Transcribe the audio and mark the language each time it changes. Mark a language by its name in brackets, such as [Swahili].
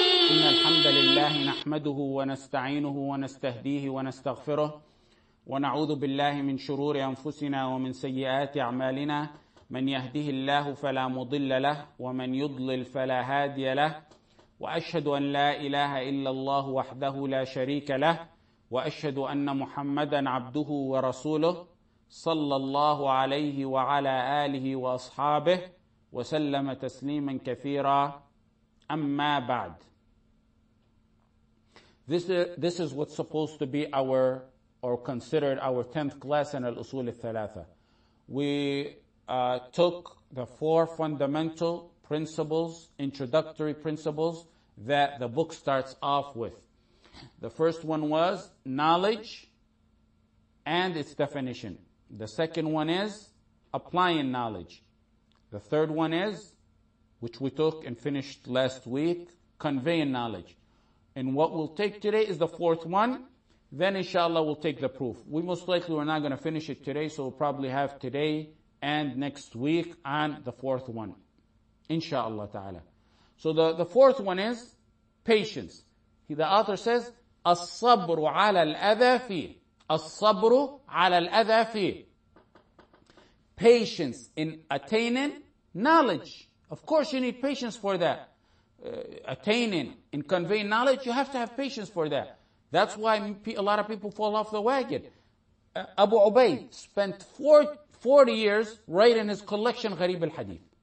[Arabic] إن الحمد لله نحمده ونستعينه ونستهديه ونستغفره، ونعوذ بالله من شرور أنفسنا ومن سيئات أعمالنا، من يهده الله فلا مضل له، ومن يضلل فلا هادي له. وأشهد أن لا إله إلا الله وحده لا شريك له، وأشهد أن محمدا عبده ورسوله، صلى الله عليه وعلى آله وأصحابه وسلم تسليما كثيرا. أما بعد، [English] this is what's supposed to be considered our 10th class in al-usul al-thalatha. We took the four fundamental principles, introductory principles, that the book starts off with. The first one was knowledge and its definition. The second one is applying knowledge. The third one is, which we took and finished last week, conveying knowledge. And what we'll take today is the fourth one. Then inshallah we'll take the proof. We most likely we're not going to finish it today, so we'll probably have today and next week on the fourth one, inshallah ta'ala. So the fourth one is patience. The author says, [Arabic] الصبر على الأذى فيه. الصبر على الأذى فيه. [English] Patience in attaining knowledge. Of course you need patience for that. Attaining and conveying knowledge, you have to have patience for that. That's why a lot of people fall off the wagon. Abu Ubayd spent 40 years writing his collection, Gharib al-Hadith.